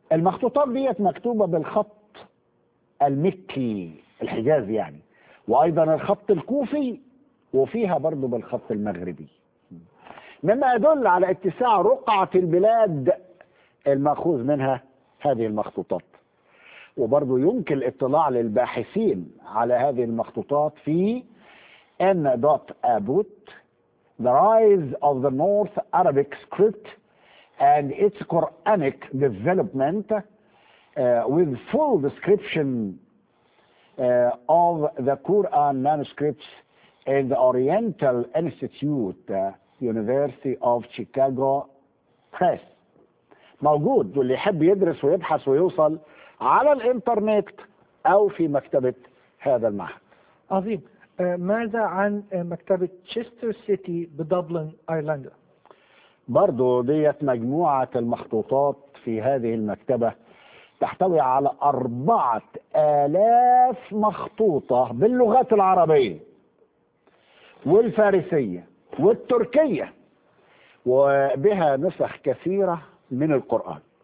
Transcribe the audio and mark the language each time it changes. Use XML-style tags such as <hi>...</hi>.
<ar>المخطوطات ديت مكتوبة بالخط المكي الحجازي يعني، وأيضا الخط الكوفي، وفيها برضه بالخط المغربي، مما يدل على اتساع رقعة البلاد المأخوذ منها هذه المخطوطات. وبرضو يمكن الاطلاع للباحثين على هذه المخطوطات في N.</ar> <en>Abbott The Rise of the North Arabic Script and its Quranic Development with full description of the Quran manuscripts in the Oriental Institute University of Chicago Press.</en> <ar>موجود، واللي يحب يدرس ويبحث ويوصل على الانترنت او في مكتبة هذا المعهد. عظيم، ماذا عن مكتبة تشستر سيتي بدبلن ايرلندا؟ برضو ديت مجموعة المخطوطات في هذه المكتبة تحتوي على 4000 مخطوطة باللغات العربية والفارسية والتركية، وبها نسخ كثيرة من القرآن.</ar>